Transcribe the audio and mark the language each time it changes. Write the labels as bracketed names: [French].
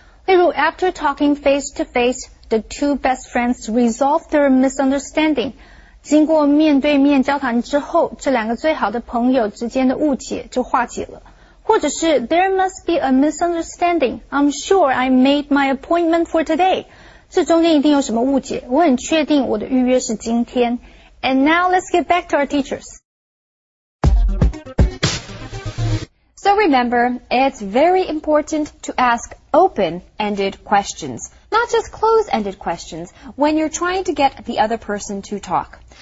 [English] 例如 after talking face to face, the two best friends resolved their misunderstanding. [Chinese] 经过面对面交谈之后，这两个最好的朋友之间的误解就化解了。 [English] 或者是 There must be a misunderstanding. I'm sure I made my appointment for today. [Chinese] 这中间一定有什么误解，我很确定我的预约是今天。 [English] And now let's get back to our teachers. So remember, it's very important to ask open-ended questions, not just closed-ended questions, when you're trying to get the other person to talk.